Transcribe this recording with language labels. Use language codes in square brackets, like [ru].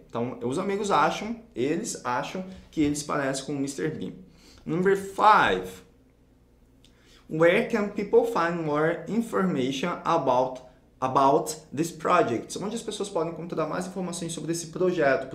[pt] Então, os amigos acham, eles acham que ele se parece com o Mr. [en] Bean. Number 5. Where can people find more information about this project? [pt] Onde as pessoas podem encontrar mais informações sobre esse projeto?